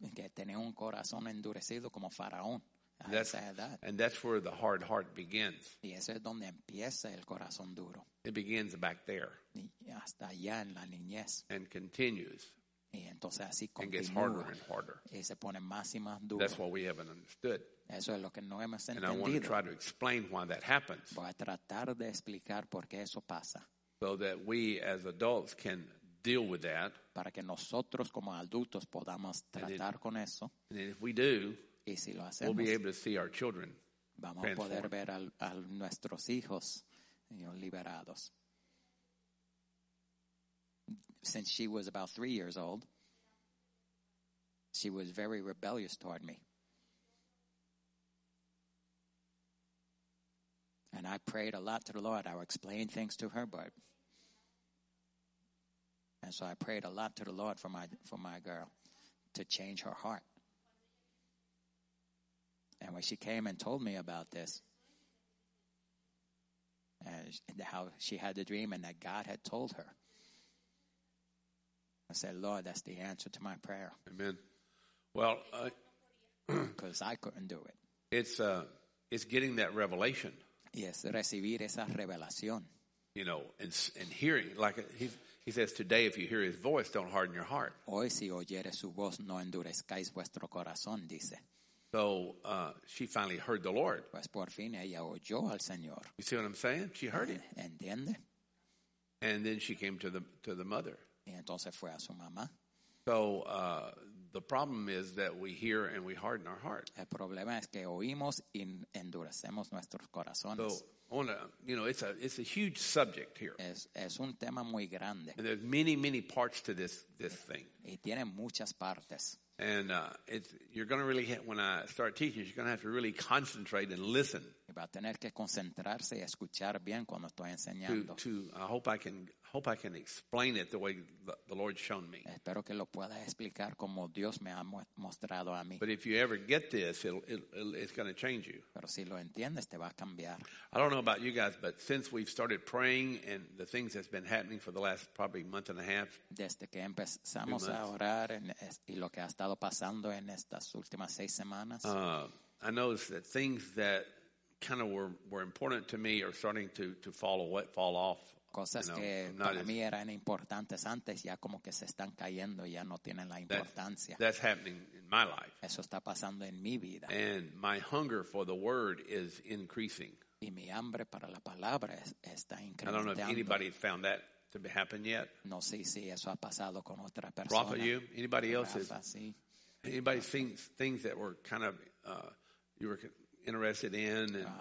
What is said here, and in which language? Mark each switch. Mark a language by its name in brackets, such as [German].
[Spanish] Que tenía un corazón endurecido como faraón. [English] And that's where the hard heart begins. [Spanish] Y eso es donde empieza el corazón duro. [English] It begins back there. [Spanish] Y hasta allá en la niñez. [English] And continues. [Spanish] Y entonces así continúa. [English] And gets harder and harder. [Spanish] Y se pone más y más duro. [English] That's what we haven't understood. [Spanish] Eso es lo que no hemos entendido. [English] And I want to try to explain why that happens. [Spanish] Voy a tratar de explicar por qué eso pasa. [English] So that we as adults can deal with that. [Spanish] Para que nosotros como adultos podamos tratar con eso. [English] And if we do, [Spanish] y si lo hacemos, [English] we'll be able to see our children [Spanish] vamos a poder ver a nuestros hijos liberados. [English] Since she was about 3 years old, she was very rebellious toward me. And I prayed a lot to the Lord. I would explain things to her, but... And so I prayed a lot to the Lord for my girl to change her heart. And when she came and told me about this, and how she had the dream and that God had told her, I said, Lord, that's the answer to my prayer. Amen. Well, because I couldn't do it. It's getting that revelation. [Spanish] Yes, recibir esa revelación. [English] You know, and hearing, like he says, today if you hear his voice, don't harden your heart. [Spanish] Hoy si oyeres su voz, no endurezcáis vuestro corazón, dice. [English] So she finally heard the Lord. [Spanish] Pues por fin ella oyó al Señor. [English] You see what I'm saying? She heard it. [Spanish] ¿Entiende? [English] And then she came to the mother. [Spanish] Y entonces fue a su mamá. [English] So the problem is that we hear and we harden our heart. [Spanish] El problema es que oímos y endurecemos nuestros corazones. [English] So, it's a huge subject here. [Spanish] Es un tema muy grande. [English] And there's many, many parts to this thing. [Spanish] Y tiene muchas partes. [English] And you're going to really, when I start teaching, you're going to have to really concentrate and listen. [Spanish] Y va a tener que concentrarse y escuchar bien cuando estoy enseñando. [English] I hope I can explain it the way the Lord's shown me. [Spanish] Espero que lo pueda explicar como Dios me ha mostrado a mí. [English] But if you ever get this, it's going to change you. [Spanish] Pero si lo entiendes, te va a cambiar. [English] I don't know about you guys, but since we've started praying and the things that's been happening for the last probably month and a half, [Spanish] desde que empezamos a orar y lo que ha estado pasando en estas últimas seis semanas, [English] I noticed that things that kind of were important to me are starting to fall off. [Spanish] Cosas que para mí eran importantes antes ya como que se están cayendo, ya no tienen la importancia. [English] That's happening in my life. [Spanish] Eso está pasando en mi vida. [English] And my hunger for the word is increasing. [Spanish] Y mi hambre para la palabra está incrementando. [English] I don't know if anybody found that to be happening yet. [Spanish] No sé si eso ha pasado con otra persona. [English] Rafa, you? Anybody else? [Spanish] Rafa, sí. [English] Anybody seen things that were kind of, you were interested in and